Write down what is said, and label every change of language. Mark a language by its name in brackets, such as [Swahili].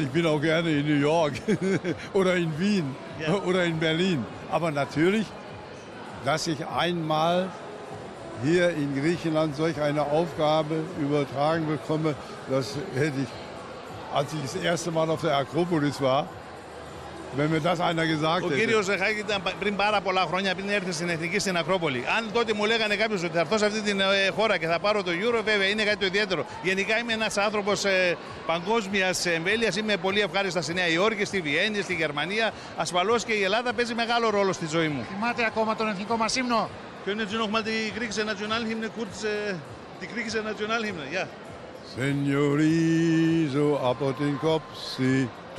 [German] Ich bin auch gerne in New York oder in Wien oder in Berlin. Aber natürlich, dass ich einmal hier in Griechenland solch eine Aufgabe übertragen bekomme, das hätte ich, als ich das erste Mal auf der Akropolis war, wenn mir das einer gesagt hätte. [Greek] Ο κύριος Ζεχάκη ήταν πριν πάρα πολλά χρόνια, πριν έρθει στην Εθνική, στην Ακρόπολη. Αν τότε μου λέγανε κάποιος ότι θα έρθω σε αυτή την χώρα και θα πάρω το Euro, βέβαια είναι κάτι το ιδιαίτερο. Γενικά είμαι ένας άνθρωπος παγκόσμιας εμβέλειας. Είμαι πολύ ευχάριστα στη Νέα Υόρκη, στη Βιέννη, στη Γερμανία. Ασφαλώς και η Ελλάδα παίζει μεγάλο ρόλο στη ζωή μου. Θυμάται ακόμα τον εθνικό μας ύμνο? [German] Können Sie noch mal die griechische Nationalhymne kurz, die griechische Nationalhymne, ja. [Greek] Señorizo από την Κόψη.